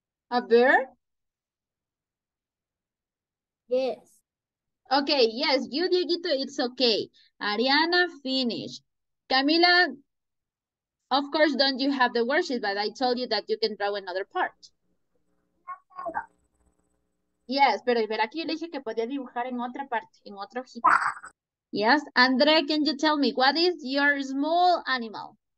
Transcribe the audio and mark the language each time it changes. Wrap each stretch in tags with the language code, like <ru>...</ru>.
<en>A bear? Yes. Okay, yes, you, Dieguito, it's okay. Ariana, finish. Camila, of course, don't you have the worksheet, but I told you that you can draw another part.</en> <es>Yes, pero aquí yo le dije que podía dibujar en otra parte, en otro hojita.</es> <en>Yes, André, can you tell me, what is your small animal?</en>